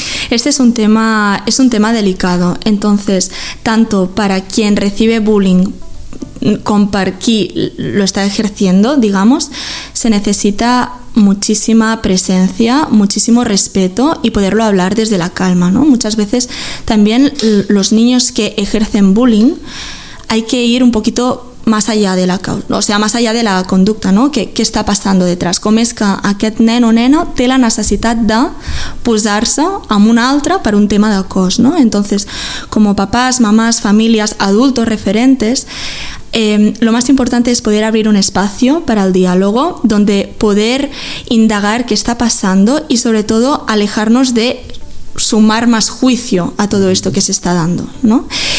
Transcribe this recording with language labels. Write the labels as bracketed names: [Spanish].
[Spanish] Este es un tema delicado. Entonces, tanto para quien recibe bullying como para quien lo está ejerciendo, digamos, se necesita muchísima presencia, muchísimo respeto y poderlo hablar desde la calma, ¿no? Muchas veces también los niños que ejercen bullying hay que ir un poquito más allá de la causa, o sea, más allá de la conducta, ¿no? ¿Qué está pasando detrás? ¿Cómo es que [Catalan] aquest nen o nena té la necessitat de posar-se amb un altre per un tema de cos, ¿no? [Spanish] Entonces, como papás, mamás, familias, adultos, referentes, lo más importante es poder abrir un espacio para el diálogo donde poder indagar qué está pasando y sobre todo alejarnos de sumar más juicio a todo esto que se está dando, ¿no?